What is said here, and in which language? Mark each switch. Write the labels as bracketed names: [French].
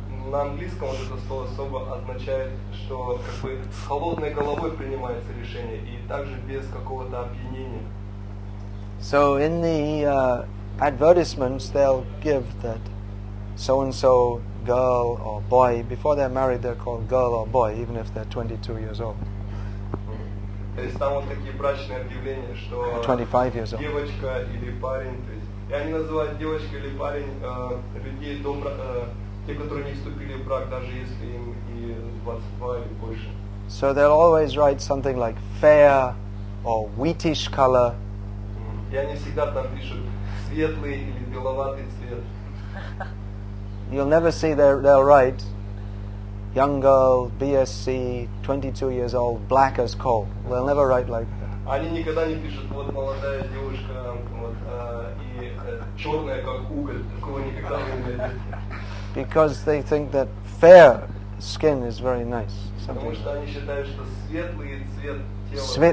[Russian] На английском вот это слово особо означает, что как бы с холодной головой принимается решение и также без какого-то опьянения. [English] So in the advertisements they'll give that so and so girl or boy, before they're married they're called girl or boy, even if they're 22 years old. [Russian] То есть там вот такие брачные объявления, что [English] 25 years old. [Russian] Девочка или парень, то есть, и они называют девочка или парень людей до те, которые не вступили в брак, даже если им и 22 или больше. [English] So they'll always write something like fair or wheatish color. [Russian] И они всегда там пишут светлый или беловатый цвет. [English] You'll never see they'll write young girl, BSc, 22 years old, black as coal. They'll never write like that. [Russian] Они никогда не пишут вот молодая девушка вот, и черная как уголь. Такого никогда не найдете. [English] Because they think that fair skin is very nice. Something. [Russian] Потому что они считают, что светлый цвет тела